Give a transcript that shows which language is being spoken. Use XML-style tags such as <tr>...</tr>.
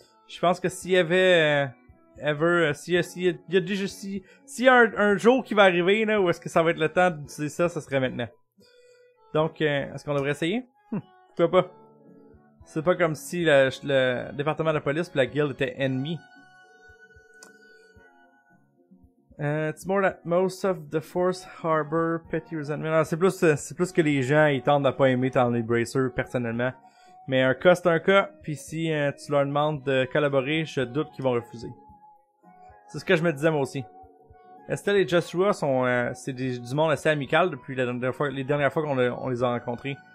<fr>Je pense que s'il y avait s'il y a un jour qui va arriver là où est-ce que ça va être le temps d'utiliser ça, ça serait maintenant. Donc est-ce qu'on devrait essayer? Pourquoi pas. C'est pas comme si le département de police puis la guilde étaient ennemis.</fr> <en>It's more that most of the force harbor petty resentment.</en> <fr>Alors, c'est plus que les gens ils tendent à pas aimer Tony Bracer personnellement. Mais un cas c'est un cas. Puis si tu leur demandes de collaborer, je doute qu'ils vont refuser. C'est ce que je me disais moi aussi. Estelle et Joshua sont du monde assez amical depuis les dernières fois qu'on les a rencontrés.</fr>